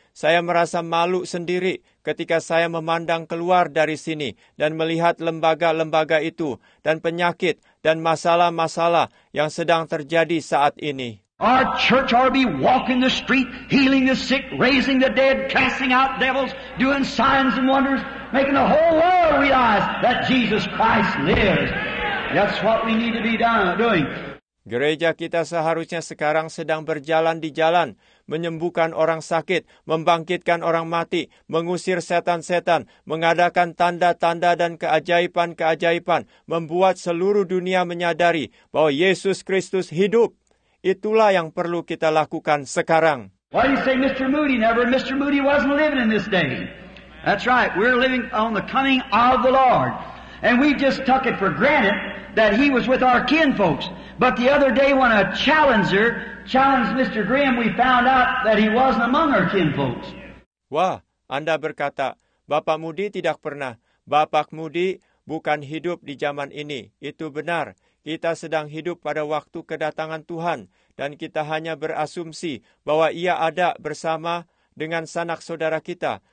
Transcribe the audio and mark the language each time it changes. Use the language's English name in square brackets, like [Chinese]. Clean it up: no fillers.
[Indonesian] Saya merasa malu sendiri ketika saya memandang keluar dari sini dan melihat lembaga-lembaga itu dan penyakit dan masalah-masalah yang sedang terjadi saat ini. [English] Our church ought to be walking the street, healing the sick, raising the dead, casting out devils, doing signs and wonders, making the whole world realize that Jesus Christ lives. That's what we need to be doing. [Indonesian] Gereja kita seharusnya sekarang sedang berjalan di jalan, menyembuhkan orang sakit, membangkitkan orang mati, mengusir setan-setan, mengadakan tanda-tanda dan keajaiban-keajaiban, membuat seluruh dunia menyadari bahwa Yesus Kristus hidup. Itulah yang perlu kita lakukan sekarang. [English] Why do you say Mr. Moody never? Mr. Moody wasn't living in this day. That's right. We're living on the coming of the Lord. And we just took it for granted that he was with our kin folks. But the other day when a challenger challenged Mr. Graham, we found out that he wasn't among our kin folks. [Indonesian] Wah, Anda berkata, Bapak Moody tidak pernah. Bapak Moody bukan hidup di zaman ini. Itu benar. Kita sedang hidup pada waktu kedatangan Tuhan dan kita hanya berasumsi bahwa ia ada bersama dengan sanak saudara kita.